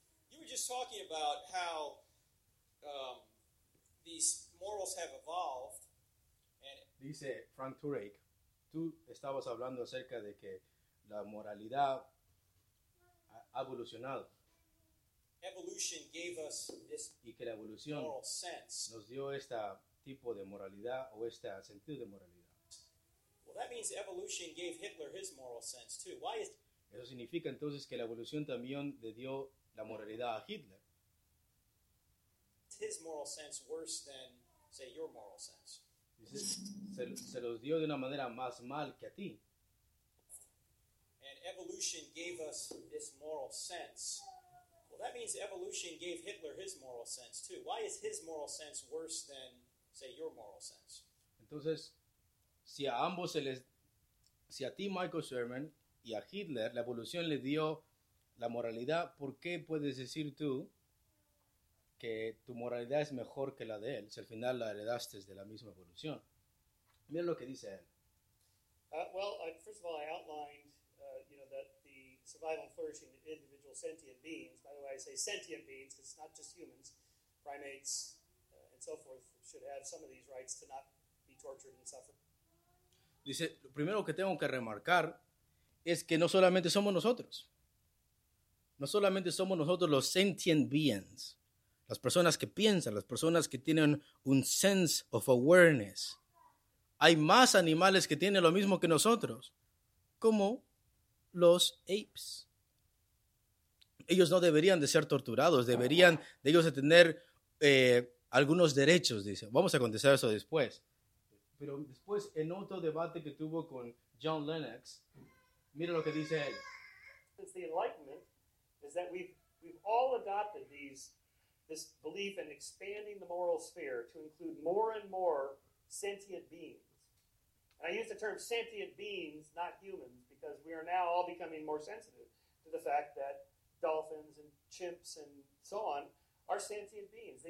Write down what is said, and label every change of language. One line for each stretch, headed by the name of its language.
English: You were just talking about how these morals have evolved. And
Spanish: dice Frank Turek, tú estabas hablando acerca de que la moralidad ha evolucionado.
English: Evolution gave us this,
Spanish: y que la evolución
English: moral sense
Spanish: nos dio esta tipo de moralidad o este sentido de moralidad.
English: Well, that means evolution gave Hitler his moral sense too. Why is
Spanish: eso significa entonces que la evolución también le dio la moralidad a Hitler.
English: His moral sense worse than say your moral sense.
Spanish: Dice, se los dio de una manera más mal que a ti.
English: And evolution gave us this moral sense. Well, that means evolution gave Hitler his moral sense too. Why is his moral sense worse than say your moral sense?
Spanish: Entonces, si a ambos se les, si a ti Michael Sherman y a Hitler la evolución le dio la moralidad, ¿por qué puedes decir tú que tu moralidad es mejor que la de él, si al final la heredaste de la misma evolución? Mira lo que dice él.
English: First of all, I outlined, that the survival and flourishing of individual sentient beings, by the way, I say sentient beings, it's not just humans, primates, and so forth, should have some of these rights to not be tortured and suffer.
Spanish: Dice, lo primero que tengo que remarcar es que no solamente somos nosotros. No solamente somos nosotros los sentient beings, las personas que piensan, las personas que tienen un sense of awareness. Hay más animales que tienen lo mismo que nosotros, como los apes. Ellos no deberían de ser torturados, deberían de ellos de tener algunos derechos, dice. Vamos a contestar eso después. Pero después, en otro debate que tuvo con John Lennox, mira lo que dice él.
English: Since the Enlightenment is that we've all adopted this belief in expanding the moral sphere to include more and more sentient beings. And I use the term sentient beings, not humans, because we are now all becoming more sensitive to the fact that dolphins and chimps and so on are sentient beings.